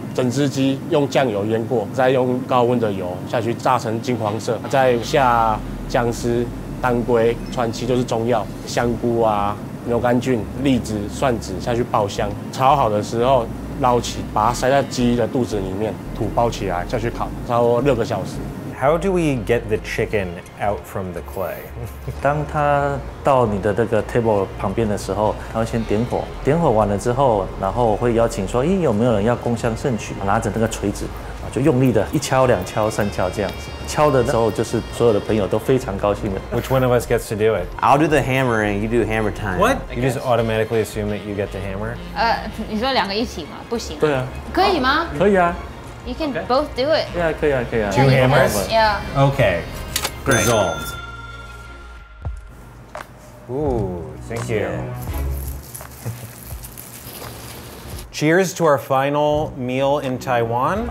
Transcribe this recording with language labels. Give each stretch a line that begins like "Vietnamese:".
Chinese: 整只鸡用酱油腌过，再用高温的油下去炸成金黄色，再下姜丝。当归、川七就是中药，香菇啊、牛肝菌、栗子、蒜子下去爆香，炒好的时候捞起，把它塞在鸡的肚子里面，土包起来下去烤，差不多六个小时。
English: How do we get the chicken out from the clay?
Chinese: 当它到你的这个 table 旁边的时候，它会先点火，点火完了之后，然后会邀请说，咦，有没有人要共襄盛举？拿着那个锤子。就用力的一敲两敲三敲这样子敲的时候就是所有的朋友都非常高兴的
English: Which one of us gets to do it? I'll do the hammering, you do hammer time What? You just automatically assume that you get to hammer?
Chinese: 你说两个一起吗不行对啊可以吗可以啊
English: You can both do it
Chinese: 对啊可以啊可以啊
English: Two hammers? Yeah Okay Great Resolved Ooh, thank you Cheers to our final meal in Taiwan.